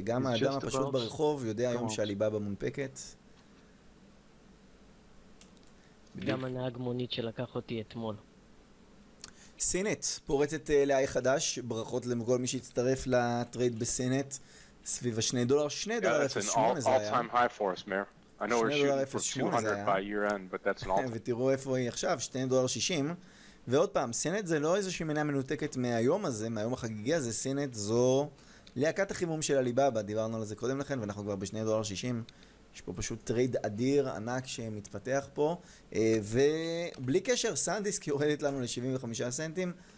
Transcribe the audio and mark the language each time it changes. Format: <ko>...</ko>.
<he>גם האדם הפשוט ברחוב יודע היום שהליבאבא מונפקת. גם הנהג מונית שלקח אותי אתמול. סינט, פורצת לאי חדש, ברכות לכל מי שהצטרף לטרייד בסינט, סביב השני דולר, שני דולר 0.8 זה היה.</he> <en>All time high for us, Mayor. I know we're shooting for 200 by year end, but that's an all time.</en> <he>ותראו איפה היא עכשיו, $2.60. ועוד פעם, סינט זה לא איזושהי מניה מנותקת מהיום הזה, מהיום החגיגי הזה, סינט זו להקת החימום של אליבאבא, דיברנו על זה קודם לכן, ואנחנו כבר ב-$2.60. יש פה פשוט טרייד אדיר, ענק שמתפתח פה, ובלי קשר, סנדיסק יורדת לנו ל-75 סנטים.</he>